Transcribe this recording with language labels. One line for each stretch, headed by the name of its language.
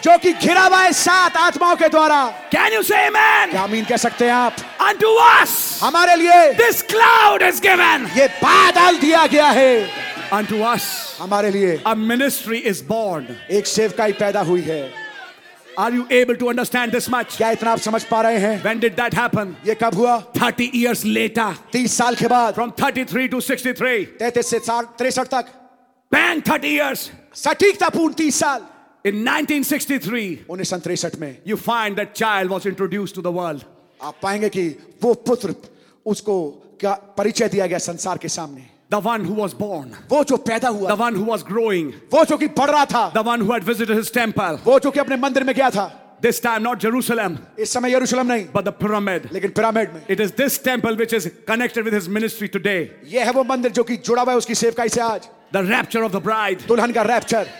Hindi: जो कि घिरा हुआ है सात आत्माओं के द्वारा.
English: Can you say amen?
Hindi: क्या आमीन कह सकते हैं आप?
English: Unto us.
Hindi: हमारे लिए.
English: This cloud is given.
Hindi: ये बादल दिया गया है.
English: Unto us.
Hindi: हमारे लिए.
English: A ministry is born.
Hindi: एक सेवकाई पैदा हुई है.
English: Are you able to understand this much?
Hindi: क्या इतना आप समझ पा रहे हैं?
English: When did that happen?
Hindi: ये कब हुआ?
English: 30 years later.
Hindi: 30 साल के बाद.
English: From 33 to 63.
Hindi: 33 से 63 तक.
English: Bang, 30 years.
Hindi: सटीकता पूर्ण 30 साल.
English: In 1963.
Hindi: 1963 में.
English: You find that child was introduced to the world.
Hindi: आप पाएंगे कि वो पुत्र उसको क्या परिचय दिया गया संसार के सामने.
English: The one who was born.
Hindi: वो जो पैदा हुआ.
English: The one who was growing.
Hindi: वो जो कि बढ़ रहा था.
English: The one who had visited his temple.
Hindi: वो जो कि अपने मंदिर में गया था.
English: This time not Jerusalem.
Hindi: इस समय यरूशलेम नहीं.
English: But the pyramid.
Hindi: लेकिन पिरामिड में.
English: It is this temple which is connected with his ministry today.
Hindi: ये है वो मंदिर जो कि जुड़ा हुआ है उसकी सेवकाई से आज.
English: The rapture of the bride.
Hindi: दुल्हन का rapture.